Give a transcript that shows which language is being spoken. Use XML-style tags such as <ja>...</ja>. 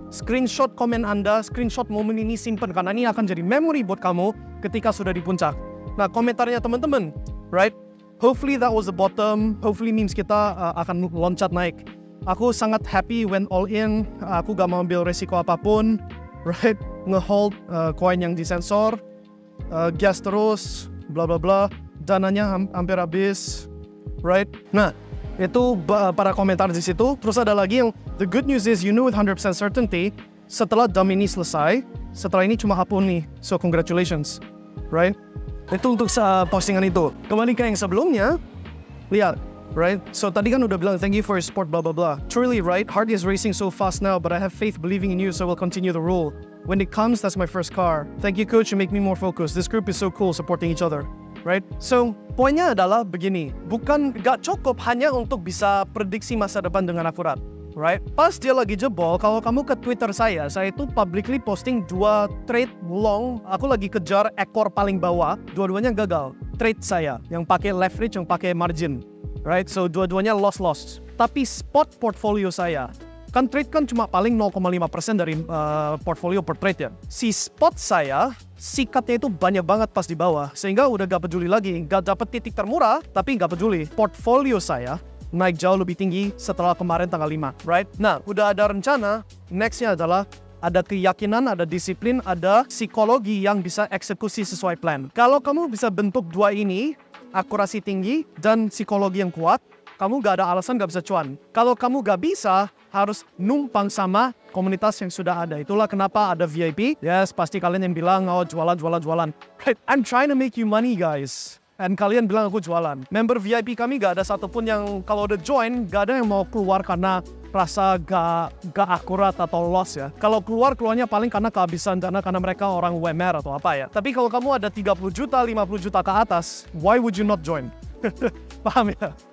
<id>Screenshot komen Anda, screenshot momen ini simpen, karena ini akan jadi memory buat kamu ketika sudah di puncak. Nah, komentarnya teman-teman, right?</id> <en>Hopefully that was the bottom, hopefully memes</en> <id>kita akan loncat naik. Aku sangat happy,</id> <en>went all in,</en> <id>aku gak mau ambil resiko apapun, right? Ngehold koin yang disensor, gas terus, bla bla bla, dananya hampir habis, right? Nah, itu para komentar di situ. Terus ada lagi yang,</id> <en>the good news is you know with 100% certainty,</en> <id>setelah dump ini selesai, setelah ini cuma hapun nih,</id> <en>so congratulations, right?</en> <id>Itu untuk postingan itu. Kembali ke yang sebelumnya, lihat, right? So tadi kan udah bilang,</id> <en>thank you for your support, blah blah blah. Truly, right? Heart is racing so fast now, but I have faith believing in you, so we'll continue the rule. When it comes, that's my first car. Thank you, coach, you make me more focused. This group is so cool, supporting each other, right?</en> <id>So, poinnya adalah begini. Bukan gak cukup hanya untuk bisa prediksi masa depan dengan akurat, right? Pas dia lagi jebol, kalau kamu ke Twitter saya itu</id> <en>publicly posting 2 trade long.</en> <id>Aku lagi kejar ekor paling bawah, dua-duanya gagal. Trade saya, yang pakai leverage, yang pakai margin. Right? So, dua-duanya loss-loss. Tapi spot portfolio saya, kan trade kan cuma paling 0,5% dari portfolio per trade ya. Si spot saya, sikatnya itu banyak banget pas di bawah, sehingga udah gak peduli lagi, gak dapet titik termurah, tapi gak peduli. Portfolio saya naik jauh lebih tinggi setelah kemarin tanggal 5, right? Nah, udah ada rencana, nextnya adalah ada keyakinan, ada disiplin, ada psikologi yang bisa eksekusi sesuai plan. Kalau kamu bisa bentuk dua ini, akurasi tinggi dan psikologi yang kuat, kamu gak ada alasan gak bisa cuan. Kalau kamu gak bisa, harus numpang sama komunitas yang sudah ada. Itulah kenapa ada VIP. Yes, pasti kalian yang bilang, oh jualan, jualan, jualan.</id> <en>Right, I'm trying to make you money, guys.</en> <id>And kalian bilang aku jualan. Member VIP kami gak ada satupun yang kalau udah join, gak ada yang mau keluar karena rasa gak akurat atau loss ya. Kalau keluar, keluarnya paling karena kehabisan dana karena mereka orang UMR atau apa ya. Tapi kalau kamu ada 30 juta, 50 juta ke atas,</id> <en>why would you not join?</en> <id>Paham ya?</id>